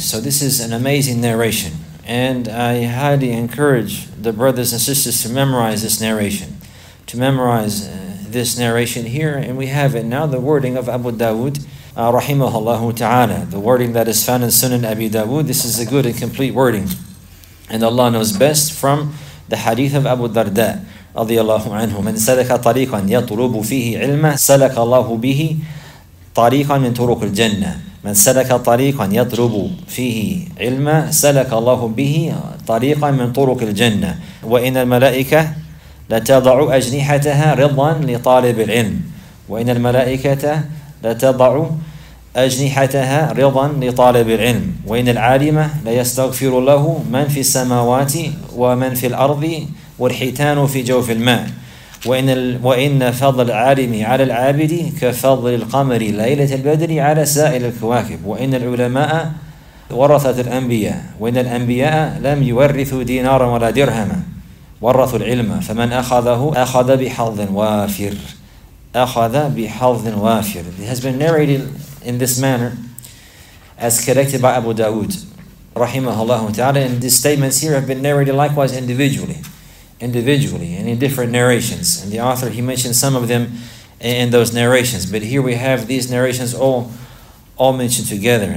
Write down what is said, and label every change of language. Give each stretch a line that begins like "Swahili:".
English: So this is an amazing narration, and I highly encourage the brothers and sisters to memorize this narration. To memorize this narration here, and we have it now, the wording of Abu Dawood, rahimahullahu ta'ala. The wording that is found in Sunan Abi Dawood, this is a good and complete wording. And Allah knows best from The hadith of Abu Darda, radiyallahu anhu,
Arabic: من سلك طريقا يطلب فيه علما سلك الله به طريقا من طرق الجنة. من سلك طريقا يطلب فيه علما سلك الله به طريقا من طرق الجنة. وإن الملائكة لتضع أجنحتها رضا لطالب العلم. وإن الملائكة لتضع أجنحتها رضا لطالب العلم. وإن العالم ليستغفر له من في السماوات ومن في الأرض والحيتان في جوف الماء. وإن فضل العالم على العابد كفضل القمر ليلة البدر على سائر الكواكب. وإن العلماء ورثة الأنبياء. وإن الأنبياء لم يورثوا دينارا ولا درهما، ورثوا العلم، فمن أخذه أخذ بحظ وافر. أخذ بحظ وافر.
English: It has been narrated in this manner as collected by Abu Dawood rahimahullah ta'ala, and these statements here have been narrated likewise individually and in different narrations, and the author, he mentioned some of them in those narrations, but here we have these narrations all mentioned together.